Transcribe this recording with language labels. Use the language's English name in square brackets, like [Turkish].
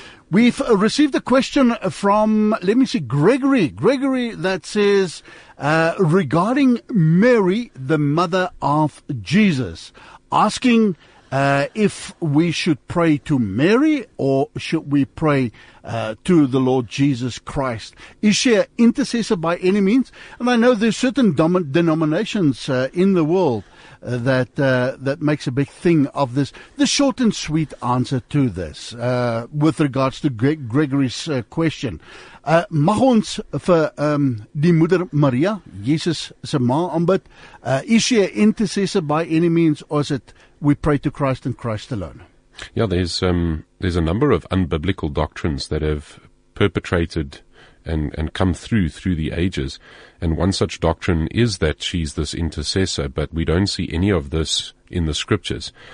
[English] We've received a question from, let me see, Gregory, that says, regarding Mary, the mother of Jesus, asking if we should pray to Mary or should we pray to the Lord Jesus Christ. Is she an intercessor by any means? And I know there's certain denominations in the world that makes a big thing of this. The short and sweet answer to this with regards to Gregory's question. [Afrikaans] Mag ons vir die moeder Maria, Jesus se ma, aanbid? [English] Is she an intercessor by any means, or is it we pray to Christ and Christ alone? Yeah, there's a number of unbiblical doctrines that have perpetrated and come through the ages. And one such doctrine is that she's this intercessor, but we don't see any of this in the scriptures.